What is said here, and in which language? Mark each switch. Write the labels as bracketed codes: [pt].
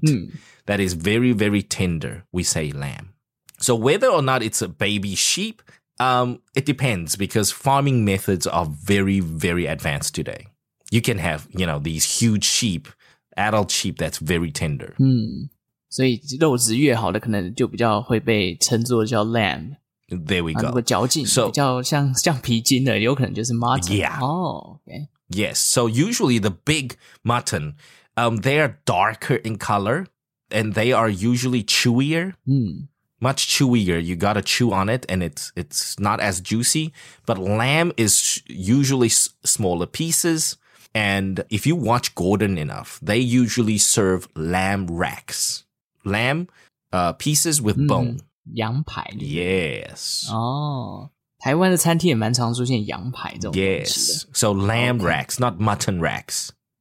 [en] mm. that is very, very tender, we say lamb. So whether or not it's a baby sheep,、it depends because farming methods are very, very advanced today. You can have, you know, these huge sheep, adult sheep that's very tender.、 Mm. [zh] 所以肉质越好的可能就比较会被称作叫 lamb. [en] There we go. [zh] 如果嚼劲比较像橡皮筋的有可能就是 mutton. [en] Yeah. Oh, okay. Yes, so usually the big mutton,、they are darker in color, and they are usually chewier,、 mm. much chewier. You gotta chew on it, and it's not as juicy. But lamb is usually smaller pieces, and if you watch Gordon enough, they usually serve lamb racks, lamb、pieces with、mm. bone. [zh] 羊排 [en] Yes. Oh. [zh] 台湾的餐厅也蛮常出现羊排这种东西的。 [en] Yes, so lamb racks,、okay. not mutton racks.